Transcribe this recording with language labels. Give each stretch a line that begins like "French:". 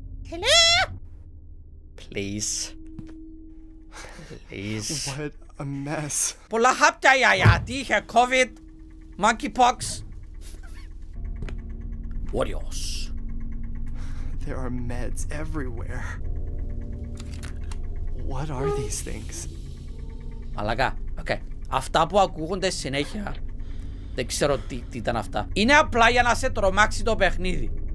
English: Hello. Please. What a mess.
Greek: Πολλά χάπια η γιαγιά. Τι είχε, COVID, monkeypox.
English: What else? There are meds everywhere. What are these things?
Greek: Μαλακά. Okay. Αυτά που ακούγονται συνέχεια Δεν ξέρω τι ήταν αυτά. Είναι απλά για να σε τρομάξει το παιχνίδι.